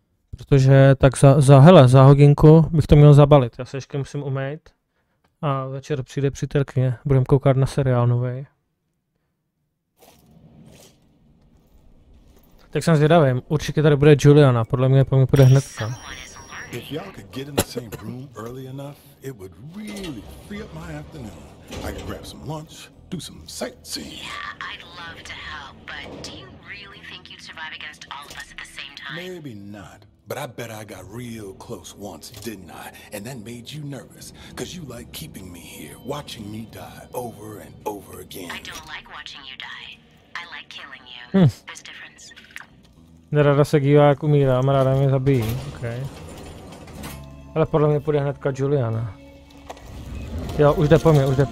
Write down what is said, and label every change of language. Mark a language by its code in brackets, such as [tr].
[cs] Protože tak za hodinku bych to měl zabalit. Já se ještě musím umýt. A večer přijde přítelkyně. Budem koukat na seriál novej. Tak jsem zvědavý. Určitě tady bude Juliana. Podle mě půjde hnedka. [en] If y'all could get in the same room early enough, it would really free up my afternoon. I could grab some lunch, do some sightseeing. Yeah, I'd love to help, but do you really think you'd survive against all of us at the same time? Maybe not, but I bet I got real close once, didn't I? And that made you nervous, because you like keeping me here, watching me die over and over again. I don't like watching you die. I like killing you. There's a difference. [cs] Nerada se dívá, jak umírám, ráda mě zabijí, okej. Ale podle mě půjde hnedka Juliana. Jo, už jde po mě.